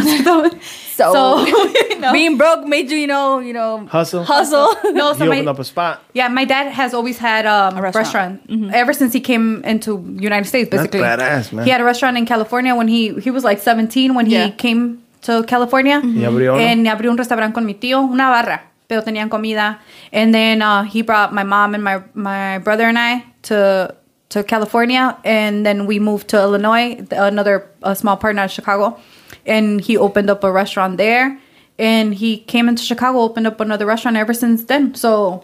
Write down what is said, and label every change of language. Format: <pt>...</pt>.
<en>so being broke made you, you know, hustle. No, so you opened up a spot. Yeah, my dad has always had a restaurant. Mm-hmm. Ever since he came into United States, basically. That's badass, man. He had a restaurant in California when he was like 17 when he came to California. Mm-hmm.</en> <es>Y abrió un restaurante con mi tío, una barra, pero tenían comida.</es> <en>And then he brought my mom and my brother and I to California, and then we moved to Illinois, another small part out of Chicago, and he opened up a restaurant there, and he came into Chicago, opened up another restaurant ever since then. So</en>